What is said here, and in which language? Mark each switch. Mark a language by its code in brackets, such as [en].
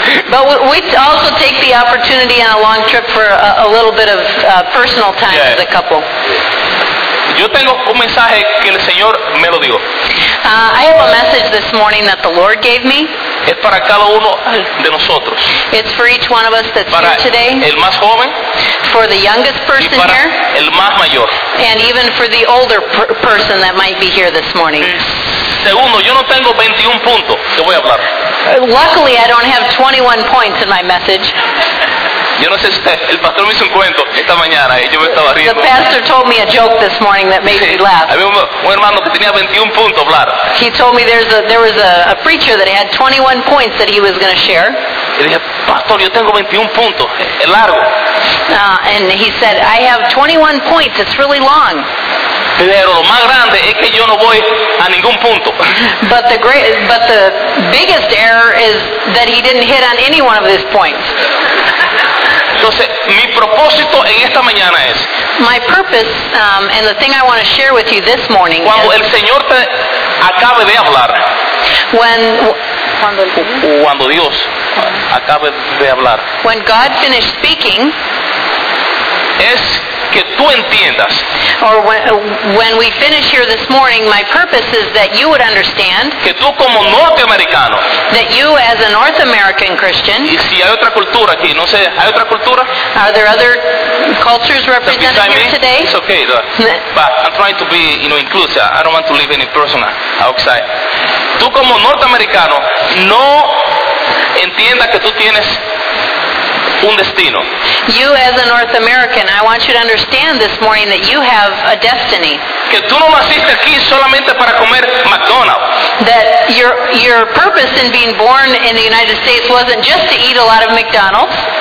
[en] But we also take the opportunity on a long trip for a little bit of personal time as a couple. [es] Yo tengo un mensaje que el Señor me lo dio. [en] I have a message this morning that the Lord gave me. [es] Es para cada uno de nosotros. [en] It's for each one of us that's [es] para [en] here today. [es] El más joven, [en] for the youngest person [es] y para [en] here. [es] El más mayor. [en] And even for the older person that might be here this morning. [es] Segundo, yo no tengo 21 puntos que voy a hablar. [en] Luckily, I don't have 21 points in my message. [es] Yo no sé si el pastor me hizo un cuento esta mañana y yo me estaba riendo. [en] The pastor told me a joke this morning that made me laugh. [es] Había un hermano que tenía 21 puntos hablar. [en] He told me there was a preacher that had 21 points that he was going to share. [es] Y dije, pastor, yo tengo 21 puntos, es largo. [en] And he said, I have 21 points, it's really long. [es] Pero lo más grande es que yo no voy a ningún punto. [en] But the biggest error is that he didn't hit on any one of his points. [es] Entonces, mi propósito en esta mañana es, [en] my purpose and the thing I want to share with you this morning [es] cuando [en] is, [es] el Señor te acabe de hablar, cuando Dios acabe de hablar, [en] when God finished speaking, [es] es que tú entiendas, [en] or when we finish here this morning, my purpose is that you would understand, [es] que tú como norteamericano, [en] that you as a North American Christian, [es] y si hay otra cultura aquí, no sé, hay otra cultura, [en] are there other cultures represented here today? It's okay, but I'm trying to be, you know, inclusive. I don't want to leave any person outside. [es] Tú como norteamericano no entienda que tú tienes un destino. [en] You as a North American, I want you to understand this morning that you have a destiny. [es] Que tú no naciste aquí solamente para comer McDonald's. [en] That your purpose in being born in the United States wasn't just to eat a lot of McDonald's.